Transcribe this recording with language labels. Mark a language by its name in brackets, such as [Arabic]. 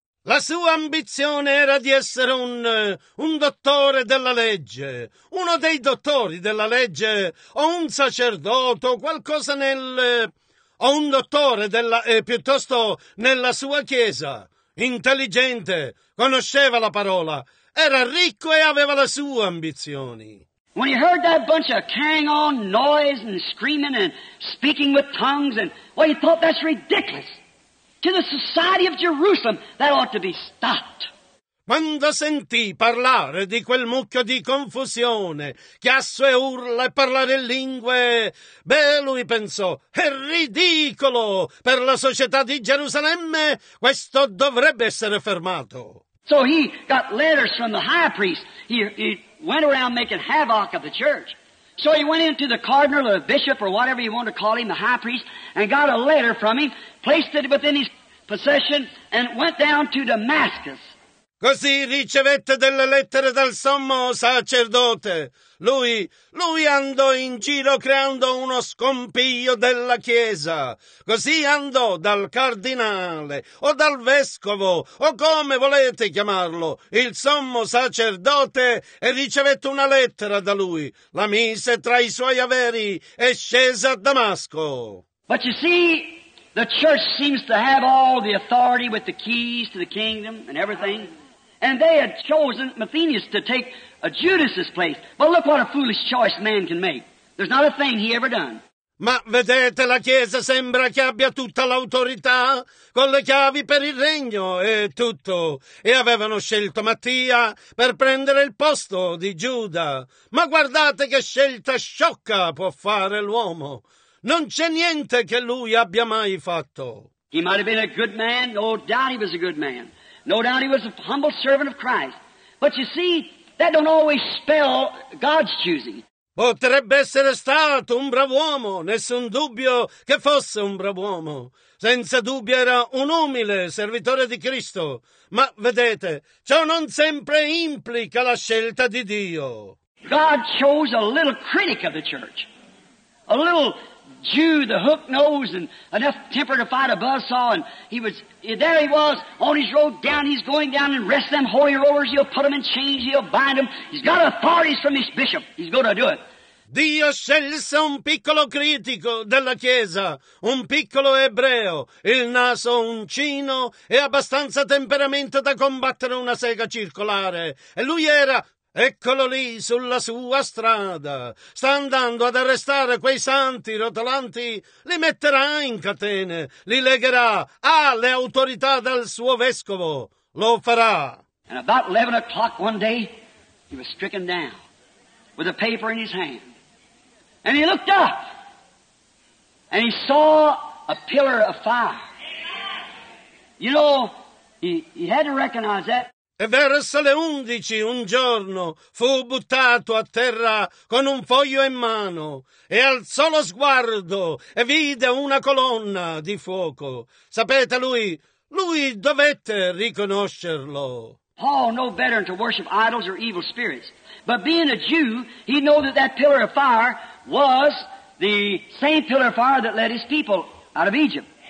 [Italian] La sua ambizione era di essere un dottore della legge, uno dei dottori della legge, o un sacerdote, qualcosa nel, o un dottore della, piuttosto nella sua chiesa, intelligente, conosceva la parola, era ricco e aveva le sue ambizioni. [English] When he heard that bunch of carrying on noise and screaming and speaking with tongues and, well, he thought that's ridiculous. To the society of Jerusalem, that ought to be stopped. [Italian] Quando sentì parlare di quel mucchio di confusione, chiasso e urla e parlare lingue, beh, lui pensò, è ridicolo per la società di Gerusalemme, questo dovrebbe essere fermato. [English] So he got letters from the high priest. He went around making havoc of the church. So he went into the cardinal or the bishop or whatever you want to call him, the high priest, and got a letter from him, placed it within his possession, and went down to Damascus. [Italian] Così ricevette delle lettere dal sommo sacerdote. Lui andò in giro creando uno scompiglio della Chiesa. Così andò dal cardinale o dal vescovo o come volete chiamarlo, il sommo sacerdote, e ricevette una lettera da lui. La mise tra i suoi averi e scese a Damasco. [English] But you see, the church seems to have all the authority with the keys to the kingdom and everything. And they had chosen Matthias to take a Judas's place. But look what a foolish choice man can make. There's not a thing he ever done. [Italian] Ma vedete, la Chiesa sembra che abbia tutta l'autorità, con le chiavi per il regno e tutto. E avevano scelto Mattia per prendere il posto di Giuda. Ma guardate che scelta sciocca può fare l'uomo. Non c'è niente che lui abbia mai fatto. [English] He might have been a good man, no doubt he was a good man. No doubt he was a humble servant of Christ. But you see, that don't always spell God's choosing. [Italian] Potrebbe essere stato un bravo uomo, nessun dubbio che fosse un bravo uomo. Senza dubbio era un umile servitore di Cristo. Ma vedete, ciò non sempre implica la scelta di Dio. [English] God chose a little critic of the church. A little Jew, the hook nose and enough temper to fight a buzzsaw, and there he was on his road down. He's going down and rest them holy rollers. He'll put them in chains. He'll bind them. He's got authorities from his bishop. He's going to do it. [Italian] Dio scelse un piccolo critico della Chiesa, un piccolo ebreo, il naso uncino e abbastanza temperamento da combattere una sega circolare. E lui era. Eccolo lì, sulla sua strada. Sta andando ad arrestare quei santi rotolanti, li metterà in catene, li legherà alle autorità dal suo vescovo. Lo farà. [English] And about 11 o'clock one day, he was stricken down with a paper in his hand. And he looked up, and he saw a pillar of fire. You know, he had to recognize that. [Italian] E verso le 11 un giorno fu buttato a terra con un foglio in mano e alzò lo sguardo e vide una colonna di fuoco. Sapete, lui dovette riconoscerlo. [English] Paul no better than to worship idols or evil spirits. But being a Jew, he knew that that pillar of fire was the same pillar of fire that led his people out of Egypt.